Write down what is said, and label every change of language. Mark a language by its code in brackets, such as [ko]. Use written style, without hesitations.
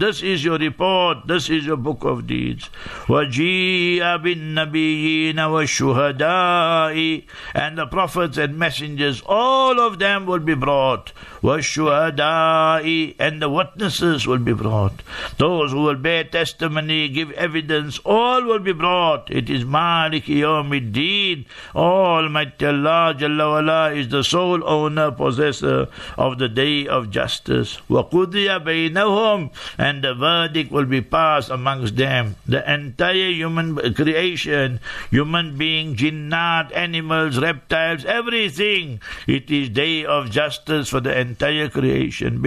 [en] This is your report. This is your book of deeds. [ar] وَجِيَ بِالنَّبِيِّينَ وَالشُّهَدَاءِ [en] and the prophets and messengers, all of them will be brought. [ar] وَالشُّهَدَاءِ [en] and the witnesses will be brought. Those who will bear testimony, give evidence, all will be brought. It is [ar] مَالِكِ يَوْمِ الدِّينِ. [en] Almighty Allah Jalla Wala is the sole owner, possessor of the Day of Justice. [ar] وَقُضِيَ بَيْنَهُمْ [en] and the verdict will be passed amongst them. The entire human creation, human being, jinnat, animals, reptiles, everything, it is Day of Justice for the entire creation.